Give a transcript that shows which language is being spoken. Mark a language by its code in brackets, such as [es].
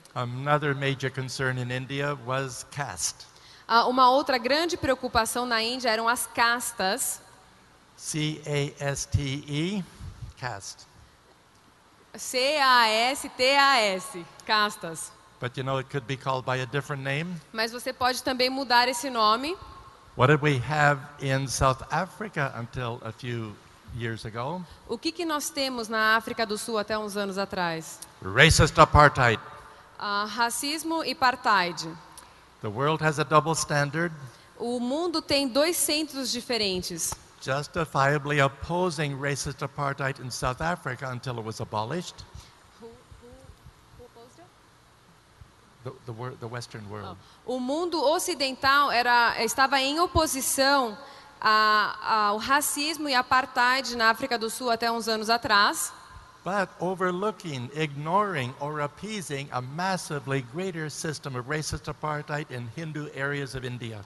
[en] Another major concern in India was caste. [pt] Uma outra grande preocupação na Índia eram as castas. [en] C-A-S-T-E, caste. [pt] C-A-S-T-A-S, castas. [en] But you know it could be called by a different name. [pt] Mas você pode também mudar esse nome. [en] What did we have in South Africa until a few years ago? [pt] O que nós temos na África do Sul até uns anos atrás? [en] Racist apartheid. [pt] Racismo e apartheid. [en] The world has a double standard. [pt] O mundo tem dois centros diferentes. [en] Justifiably opposing racist apartheid in South Africa until it was abolished. Who opposed it? The Western world. [pt] Oh. O mundo ocidental estava em oposição ao racismo e apartheid na África do Sul até uns anos atrás. [en] But overlooking, ignoring, or appeasing a massively greater system of racist apartheid in Hindu areas of India.